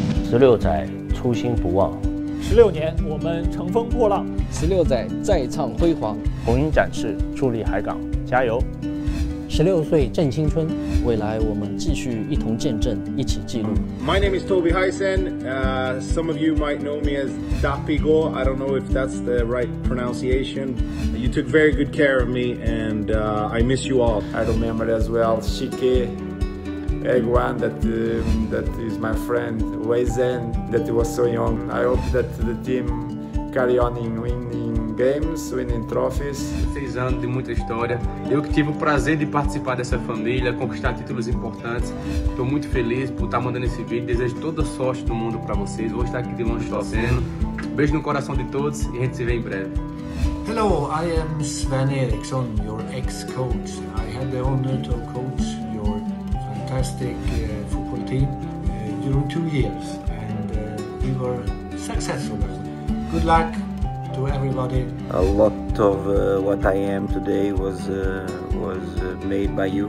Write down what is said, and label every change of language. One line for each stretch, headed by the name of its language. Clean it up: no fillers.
Chinese: 16载，初心不忘。 16年，我们乘风破浪。 16载，再创辉煌。红鹰展翅，助力海港，加油！ 16岁正青春，未来我们继续一同见证，一起记录。
English: My name is Toby Heisen. Some of you might know me as Dapi Go. I don't know if that's the right pronunciation. You took very good care of me, and I miss you all. I remember as well Shiki, Egwan, that is my friend Weizen, that he was so young. I hope that the team carry on in winning games, winning trophies.
Portuguese: 3 anos de muita história. Eu que tive o prazer de participar dessa família, conquistar títulos importantes. Estou muito feliz por estar mandando esse vídeo. Desejo toda a sorte do mundo para vocês. Vou estar aqui de longe torcendo. Beijo no coração de todos e a gente se vê em breve.
English: Hello, I am Sven Eriksson, your ex-coach. I had the honor to coach your fantastic football team during 2 years. And we were successful. Good luck. To everybody. A lot of what I am today was made by you.